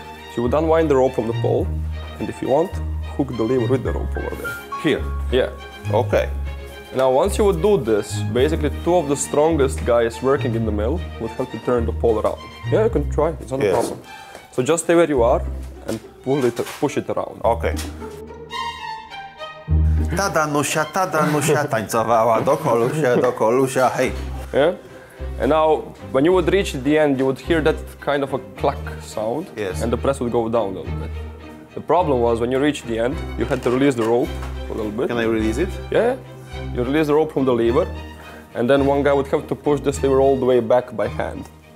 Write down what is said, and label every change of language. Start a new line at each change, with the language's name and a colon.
English: So you would unwind the rope from the pole, and if you want, hook the lever with the rope over there. Here? Yeah. Okay. Now, once you would do this, basically two of the strongest guys working in the mill would have to turn the pole around. Yeah, you can try, it's not a problem. So just stay where you are and pull it, push it around. Okay.
Polish: Ta Danusia, ta Danusia tańcowała do kolusia, hej.
English: Yeah? And now, when you would reach the end, you would hear that kind of a cluck sound. Yes. And the press would go down a little bit. The problem was, when you reached the end, you had to release the rope a little bit. Can I release it? Yeah. You release the rope from the lever, and then one guy would have to push this lever all the way back by hand.